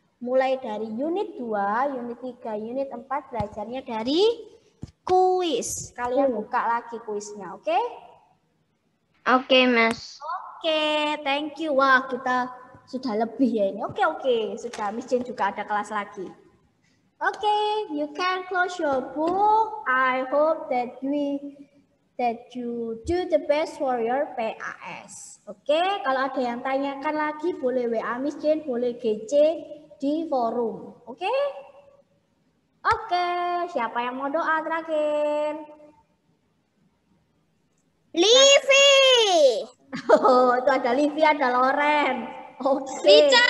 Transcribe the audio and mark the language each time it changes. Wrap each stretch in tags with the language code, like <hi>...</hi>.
<id>Mulai dari unit 2, unit 3, unit 4 belajarnya dari kuis. Kalian buka lagi kuisnya, oke? Oke, Mas.</id> <en>Oke, thank you.</en> <id>Wah, kita sudah lebih ya ini. Oke, sudah. Miss Jin juga ada kelas lagi.</id> <en>Oke, you can close your book. I hope that you do the best for your PAS.</en> <id>Oke, kalau ada yang tanyakan lagi boleh WA Miss Jin, boleh GC di forum. Oke? Oke, siapa yang mau doa terakhir? Livi. Oh, itu ada Livi, ada Loren. Oke,</id>